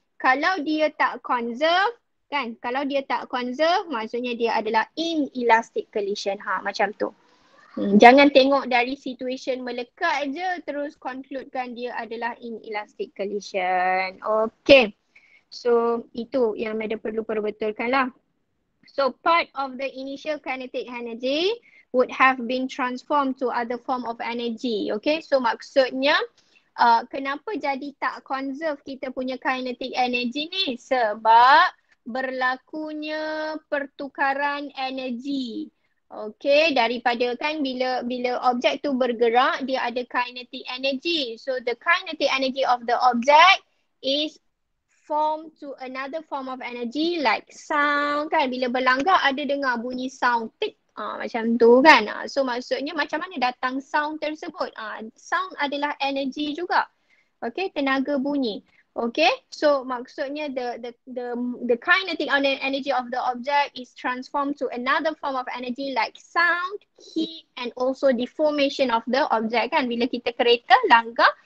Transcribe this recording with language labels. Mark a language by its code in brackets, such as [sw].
[ms] Kalau dia tak conserve, kan? Kalau dia tak conserve, maksudnya dia adalah inelastic collision. Ha, macam tu. Jangan tengok dari situation melekat je, terus concludekan dia adalah inelastic collision. Okay. So, itu yang Madam perlu perbetulkan lah. [en] So part of the initial kinetic energy would have been transformed to other form of energy. [ms] Okay, so maksudnya kenapa jadi tak conserve kita punya kinetic energy ni? Sebab berlakunya pertukaran energy. Okay, daripada kan bila objek tu bergerak, dia ada kinetic energy. [en] So the kinetic energy of the object is form to another form of energy like sound kan. [ms] Bila berlanggar ada dengar bunyi sound tik macam tu kan. So maksudnya macam mana datang sound tersebut? Sound adalah energy juga. Okay, tenaga bunyi. [en] Okay, so maksudnya the kinetic energy of the object is transformed to another form of energy like sound, heat and also deformation of the object kan. [ms] Bila kita kereta langgar,